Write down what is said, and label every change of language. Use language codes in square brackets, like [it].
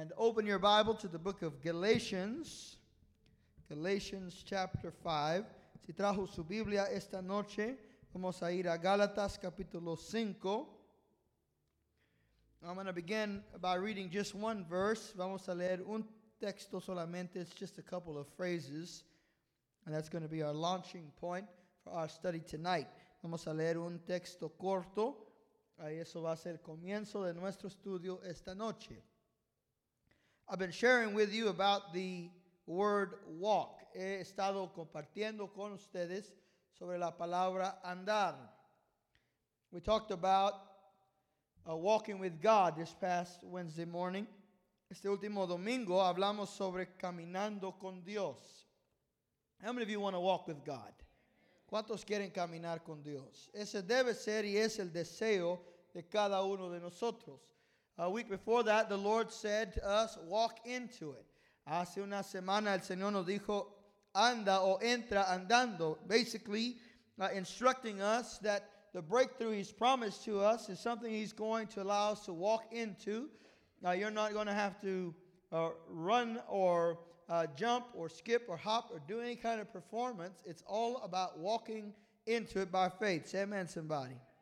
[en] open your Bible to the book of Galatians. Galatians chapter 5. [es] Si trajo su Biblia esta noche, vamos a ir a Gálatas capítulo 5. [en] I'm going to begin by reading just one verse. [es] Vamos a leer un texto solamente. [en] It's just a couple of phrases. And that's going to be our launching point for our study tonight. [es] Vamos a leer un texto corto. Ahí eso va a ser el comienzo de nuestro estudio esta noche. [en] I've been sharing with you about the word walk. [es] He estado compartiendo con ustedes sobre la palabra andar. [en] We talked about walking with God this past Wednesday morning. [es] Este último domingo hablamos sobre caminando con Dios. [en] How many of you want to walk with God? [es] ¿Cuántos quieren caminar con Dios? Ese debe ser y es el deseo de cada uno de nosotros. [en] A week before that, the Lord said to us, walk into it. [es] Hace una semana el Señor nos dijo, anda o entra andando. [en] Basically, instructing us that the breakthrough He's promised to us is something He's going to allow us to walk into. You're not going to have to run or jump or skip or hop or do any kind of performance. It's all about walking into it by faith. Say amen, somebody.